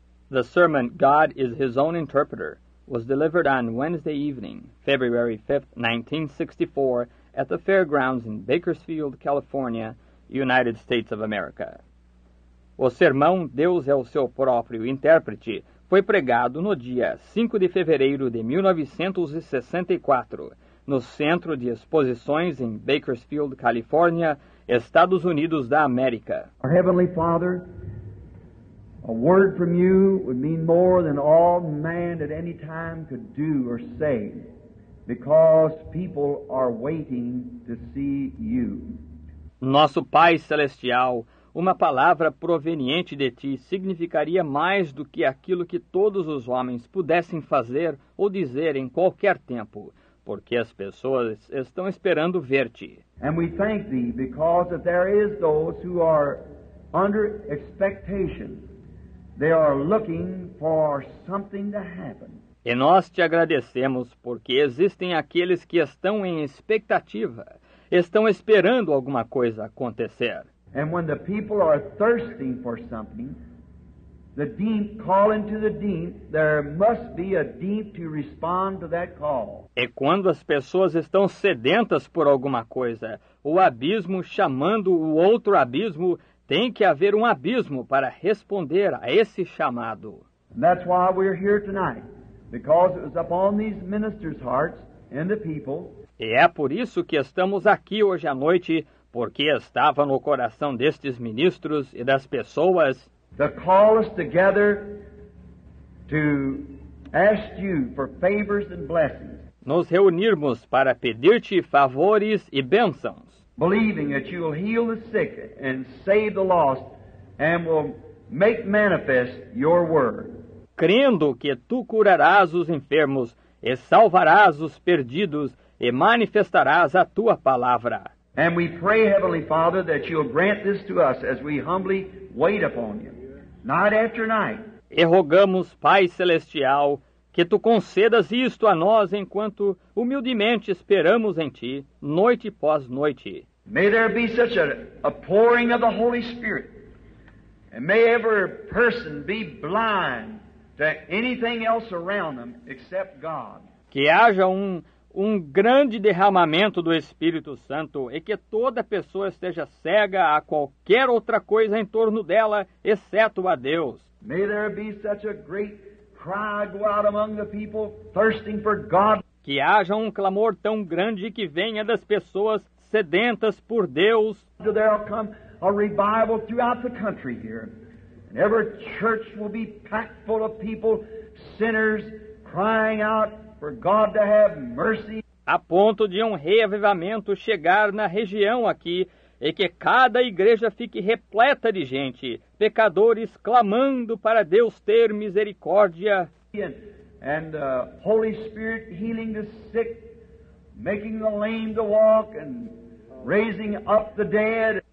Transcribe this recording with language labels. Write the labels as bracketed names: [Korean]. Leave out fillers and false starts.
[English] The sermon, God is His Own Interpreter, was delivered on Wednesday evening, February 5, 1964, at the fairgrounds in Bakersfield, California, United States of America. [Portuguese] O sermão Deus é o seu próprio intérprete foi pregado no dia 5 de fevereiro de 1964, no Centro de Exposições em Bakersfield, California, Estados Unidos da América. [English] Our Heavenly Father, a word from you would mean more than all man at any time could do or say, because people are waiting to see you. [Portuguese] Nosso Pai Celestial, uma palavra proveniente de Ti significaria mais do que aquilo que todos os homens pudessem fazer ou dizer em qualquer tempo, porque as pessoas estão esperando ver-Te. [English] And we thank Thee because that there is those who are under expectation. They are looking for something to happen. [Portuguese] E nós Te agradecemos porque existem aqueles que estão em expectativa, estão esperando alguma coisa acontecer. [English] And when the people are thirsting for something, the deep calling to the deep, there must be a deep to respond to that call. [Portuguese] E quando as pessoas estão sedentas por alguma coisa, o abismo chamando o outro abismo, tem que haver um abismo para responder a esse chamado. [English] And that's why we're here tonight, because it was upon these ministers' hearts and the people. [Portuguese] E é por isso que estamos aqui hoje à noite, porque estava no coração destes ministros e das pessoas. [English] To call us together to ask you for favors and blessings. [Portuguese] Nos reunirmos para pedir-te favores e bênçãos. [English] Believing that you will heal the sick and save the lost and will make manifest your word. [Portuguese] Crendo que tu curarás os enfermos e salvarás os perdidos e manifestarás a tua palavra. [English] And we pray, Heavenly Father, that you'll grant this to us as we humbly wait upon you, night after night. [Portuguese] E rogamos, Pai Celestial, que tu concedas isto a nós enquanto humildemente esperamos em ti, noite após noite. [English] May there be such a pouring of the Holy Spirit, and may every person be blind to anything else around them except God. [Portuguese] Que haja um grande derramamento do Espírito Santo e que toda pessoa esteja cega a qualquer outra coisa em torno dela, exceto a Deus. [English] May there be such a great cry go out among the people thirsting for God. [Portuguese] Que haja um clamor tão grande que venha das pessoas sedentas por Deus. [English] There will come a revival throughout the country here. And every church will be packed full of people, sinners, crying out for God to have mercy. [Portuguese] A ponto de um reavivamento chegar na região aqui e que cada igreja fique repleta de gente, pecadores clamando para Deus ter misericórdia. [English] And Holy Spirit healing the sick, making the lame to walk and raising up the dead.